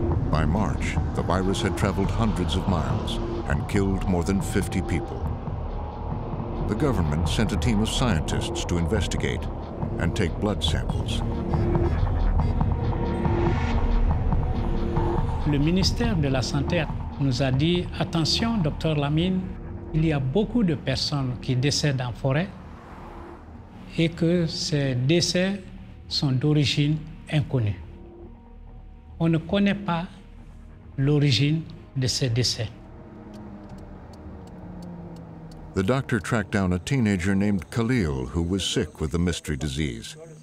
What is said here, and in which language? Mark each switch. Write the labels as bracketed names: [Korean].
[English] By March, the virus had traveled hundreds of miles and killed more than 50 people. The government sent a team of scientists to investigate and take blood samples. [French] Le ministère de la Santé nous a dit, attention, Dr. Lamine, il y a beaucoup de personnes qui décèdent en forêt et que ces décès sont d'origine inconnue. On ne connaît pas l'origine de ces décès. [English] The doctor tracked down a teenager named Khalil who was sick with the mystery disease.